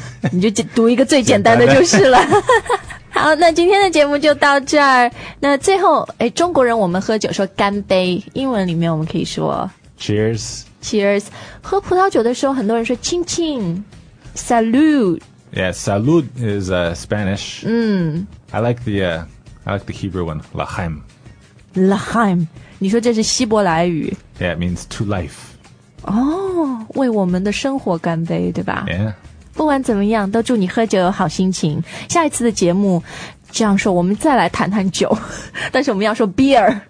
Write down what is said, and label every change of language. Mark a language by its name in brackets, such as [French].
[Chinese] 你就读一个最简单的就是了。好那今天的节目就到这儿那最后诶中国人我们喝酒说干杯英文里面我们可以说 [English] Cheers [Chinese] Cheers 喝葡萄酒的时候很多人说亲亲 Salud [English] Yeah, salud is Spanish、嗯、 I like the Hebrew one Lachaim [Chinese] Lachaim 你说这是希伯来语 [English] Yeah, it means to life [Chinese] 哦、oh, 为我们的生活干杯对吧 [English] Yeah [Chinese] 不管怎么样都祝你喝酒有好心情下一次的节目这样说我们再来谈谈酒但是我们要说 beer